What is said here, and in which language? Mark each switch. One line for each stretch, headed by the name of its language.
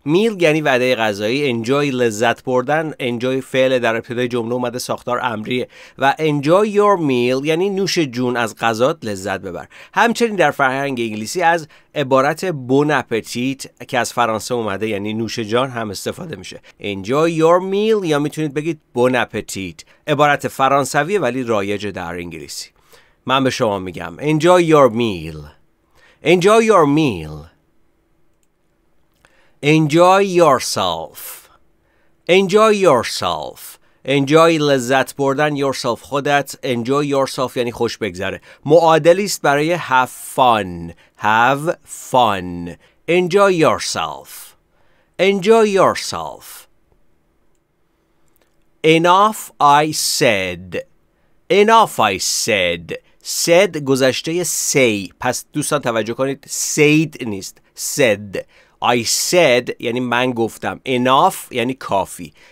Persian: Meal یعنی وعده غذایی. Enjoy لذت بردن. Enjoy فعل در ابتدای جمله اومده، ساختار امریه. و
English: enjoy your meal
Persian: یعنی نوش جون، از غذات لذت ببر. همچنین در فرهنگ انگلیسی از عبارت bon appetit که از فرانسه اومده یعنی نوش جان هم استفاده میشه.
English: Enjoy your meal
Persian: یا میتونید بگید
French: bon appetit.
Persian: عبارت فرانسویه ولی رایج در انگلیسی. من به شما میگم
English: Enjoy your meal. Enjoy your meal. Enjoy yourself. Enjoy yourself.
Persian: Enjoy لذت بردن. Yourself خودت. Enjoy yourself یعنی خوش بگذره. معادلیست برای have fun.
English: Have fun. Enjoy yourself. Enjoy yourself. Enough I said.
Persian: Said گذشته say. پس دوستان توجه کنید. Said نیست. Said.
English: I said
Persian: یعنی من گفتم. Enough یعنی کافی.